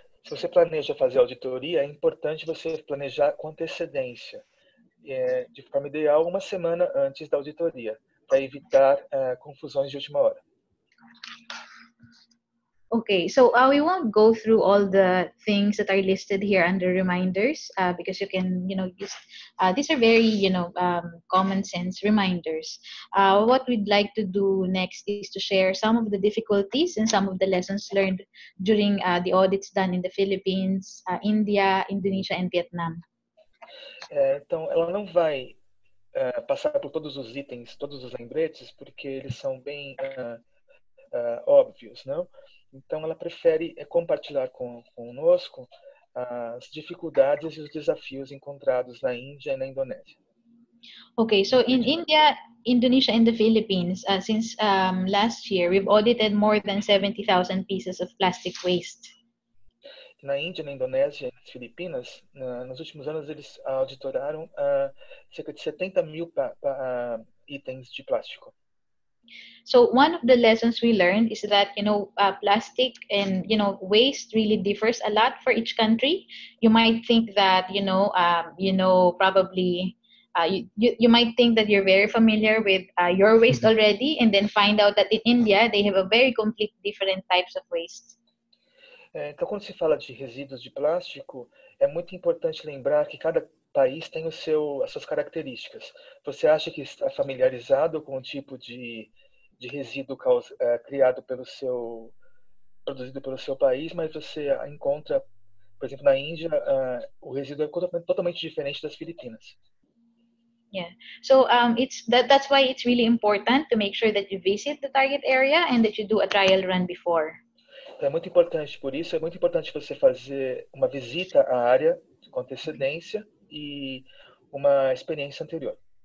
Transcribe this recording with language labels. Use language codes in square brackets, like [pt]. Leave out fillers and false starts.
[pt] Se você planeja fazer auditoria, é importante você planejar com antecedência, de forma ideal, uma semana antes da auditoria, para evitar confusões de última hora. [en] Okay, so we won't go through all the things that are listed here under reminders, because you can, you know, use, these are very, you know, common sense reminders. What we'd like to do next is to share some of the difficulties and some of the lessons learned during the audits done in the Philippines, India, Indonesia, and Vietnam. [pt] Então, ela não vai passar por todos os itens, todos os lembretes, porque eles são bem óbvios, não? Então, ela prefere compartilhar conosco as dificuldades e os desafios encontrados na Índia e na Indonésia. [en] Okay, so in India, Indonesia and the Philippines, since last year, we've audited more than 70,000 pieces of plastic waste. [pt] Na Índia, na Indonésia e nas Filipinas, nos últimos anos, eles auditoraram cerca de 70 mil itens de plástico. [en] So one of the lessons we learned is that, you know, plastic and, you know, waste really differs a lot for each country. You might think that, you might think that you're very familiar with your waste already, and then find out that in India, they have a very complete different types of waste. [pt] Então, quando se fala de resíduos de plástico, é muito importante lembrar que cada país tem as suas características. Você acha que está familiarizado com o tipo de resíduo criado produzido pelo seu país, mas você encontra, por exemplo, na Índia, o resíduo é totalmente diferente das Filipinas. [en] Yeah, so that's why it's really important to make sure that you visit the target area and that you do a trial run before. [pt] Então, é muito importante, por isso, é muito importante você fazer uma visita à área com antecedência e uma experiência anterior.